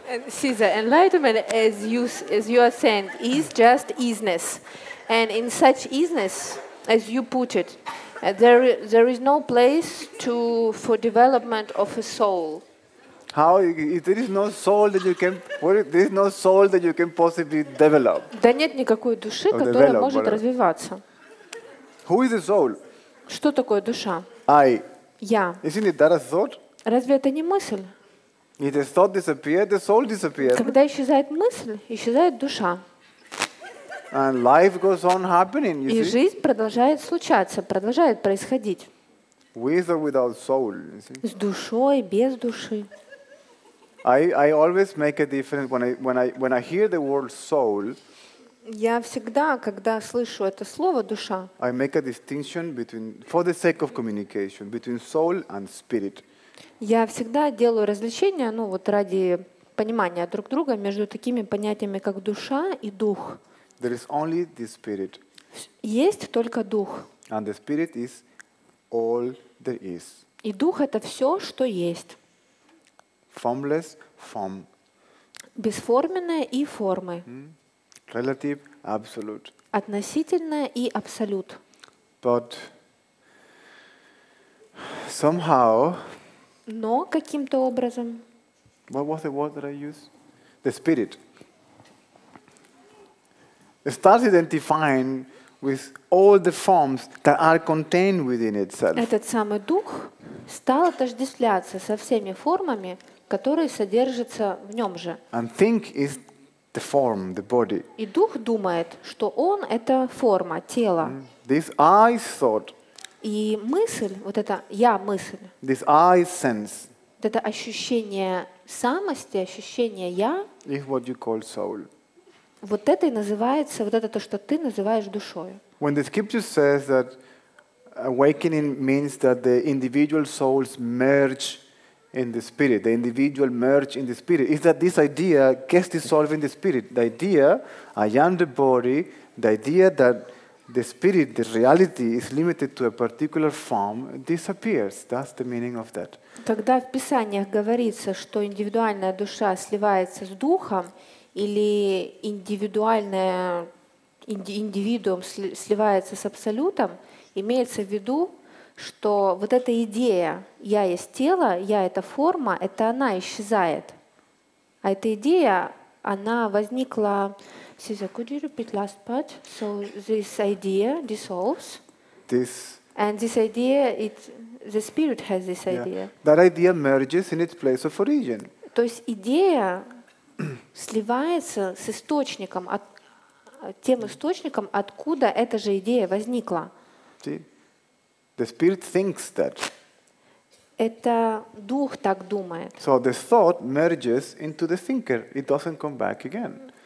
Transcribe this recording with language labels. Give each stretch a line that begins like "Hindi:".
English: See, the enlightenment, as you are saying, is just easiness, and in such easiness, as you put it, there is no place for development of a soul. How? If there is no soul that you can, there is no soul that you can possibly develop.
Russian: Да нет никакой души, которая может развиваться.
English: Who is the soul?
Russian: Что такое душа?
English: I.
Russian: Я.
English: Isn't it that a thought?
Russian: Разве это не мысль?
English: If the thought disappears, the soul disappears.
Russian: Когда исчезает мысль, исчезает душа.
English: And life goes on happening, you see?
Russian: И жизнь продолжает случаться, продолжает происходить.
English: With or without soul, you see?
Russian: С душой, без души.
English: I always make a difference when I hear the word soul.
Russian: Я всегда, когда слышу это слово душа.
English: I make a distinction between, for the sake of communication, between soul and spirit.
Russian: Я всегда делаю различение, ну вот ради понимания друг друга, между такими понятиями, как душа и дух.
English: There is only the spirit.
Russian: Есть только дух.
English: And the spirit is all there is.
Russian: И дух — это все, что есть.
English: Formless form.
Russian: Бесформенное и формы.
English: Relative, absolute.
Russian: Относительное и абсолют.
English: But somehow.
Russian: Но каким-то образом.
English: What was the word that I used? The spirit. It starts identifying with all the forms that are contained within itself.
Russian: Этот самый дух стал отождествляться со всеми формами, которые содержатся в нем же.
English: And think is the form, the body.
Russian: И дух думает, что он — это форма, тело.
English: This I thought.
Russian: И мысль, вот это я мысль.
English: This I sense.
Russian: вот это ощущение самости, ощущение я.
English: Is what you call soul.
Russian: Вот это и называется, вот это то, что ты называешь душой.
English: When the scripture says that awakening means that the individual souls merge in the spirit, the individual merge in the spirit, is that this idea gets dissolved in the spirit. The idea, I am the body, the idea that the spirit, the reality is limited to a particular form, disappears. That's the meaning of that.
Russian: Когда в Писаниях говорится, что индивидуальная душа сливается с духом, или индивидуальная индивидуум сливается с абсолютом, имеется в виду, что вот эта идея «я есть тело», «я — это форма», это она исчезает. А эта идея, она возникла... Сиза,
English: could you repeat last part? So this idea dissolves. This. And this idea, the spirit has this idea. Yeah. That idea merges in its place of origin.
Russian: То есть идея сливается с источником, от, тем источником, откуда эта же идея возникла.
English: See? The spirit thinks that.
Russian: Это дух так думает.
English: So the thought merges into the thinker. It doesn't come back again.